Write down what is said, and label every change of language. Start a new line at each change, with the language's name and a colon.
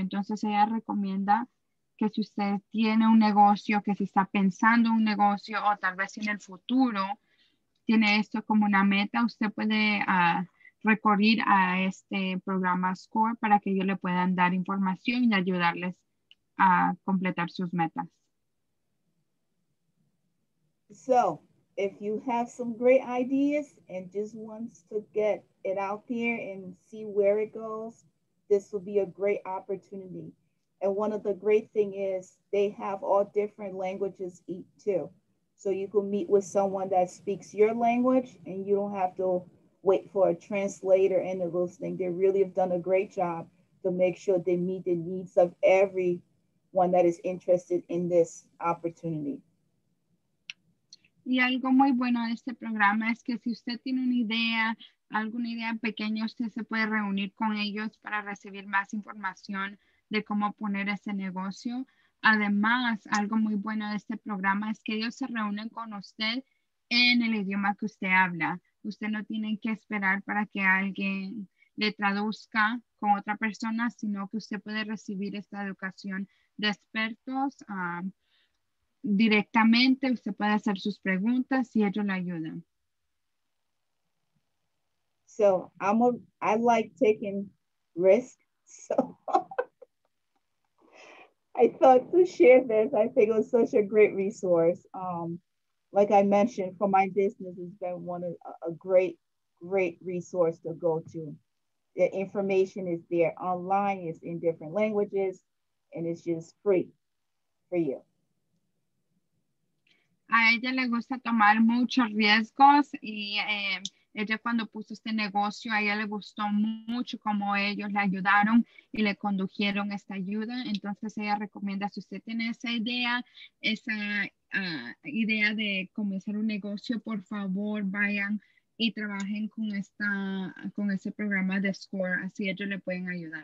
Spanish: Entonces ella recomienda que si usted tiene un negocio, que si está pensando un negocio o tal vez en el futuro tiene esto como una meta, usted puede recurrir a este programa SCORE para que ellos le puedan dar información y ayudarles a completar sus metas.
English: So, if you have some great ideas and just wants to get it out there and see where it goes, this will be a great opportunity. And one of the great thing is they have all different languages too. So you can meet with someone that speaks your language and you don't have to wait for a translator and those things. They really have done a great job to make sure they meet the needs of everyone that is interested in this opportunity.
Spanish: Y algo muy bueno de este programa es que si usted tiene una idea, alguna idea pequeña, usted se puede reunir con ellos para recibir más información de cómo poner ese negocio. Además, algo muy bueno de este programa es que ellos se reúnen con usted en el idioma que usted habla. Usted no tiene que esperar para que alguien le traduzca con otra persona, sino que usted puede recibir esta educación de expertos directamente. Usted puede hacer sus preguntas y ellos le ayudan.
English: So, I like taking risks. So, I thought to share this. I think it was such a great resource. Like I mentioned, for my business, it's been a great resource to go to. The information is there online, it's in different languages, and it's just free for you.
Spanish: A ella le gusta tomar muchos riesgos y ella cuando puso este negocio, a ella le gustó mucho cómo ellos le ayudaron y le condujeron esta ayuda. Entonces ella recomienda, si usted tiene esa idea de comenzar un negocio, por favor vayan y trabajen con ese programa de SCORE, así ellos le pueden ayudar.